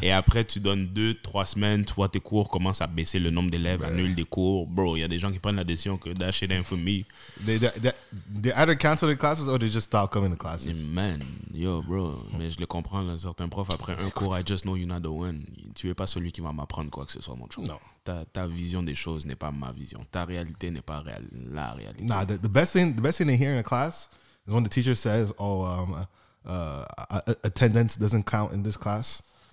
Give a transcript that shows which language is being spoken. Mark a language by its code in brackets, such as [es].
[fr] Et après, tu donnes 2-3 semaines, toi, tes cours commencent à baisser le nombre d'élèves, annulent des cours. Bro, il y a des gens qui prennent la décision que [en] that shit ain't for me. They either cancel the classes or they just stop coming to classes. [fr] Man, yo, bro, mais je le comprends, là, certains profs, après un cours, [en] I just know you're not the one. [fr] Tu es pas celui qui va m'apprendre quoi que ce soit, mon chum. Non. Ta vision des choses n'est pas ma vision. Ta réalité n'est pas la réalité. [en] Nah, the best thing they hear in a class is when the teacher says, oh, attendance doesn't count in this class.